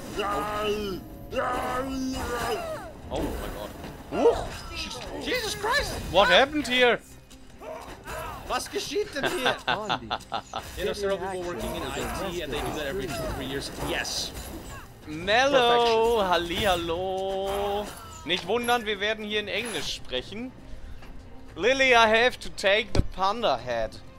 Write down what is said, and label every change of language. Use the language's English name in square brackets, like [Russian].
[English] Oh my god. Ooh. Jesus Christ! What happened here? [German] Was geschieht denn hier? [English] You know, several people working in IT and they do that every 2 or 3 years. Yes. [German] Mello, hallihallo. Nicht wundern, wir werden hier in Englisch sprechen. [English] Lily, I have to take the panda hat.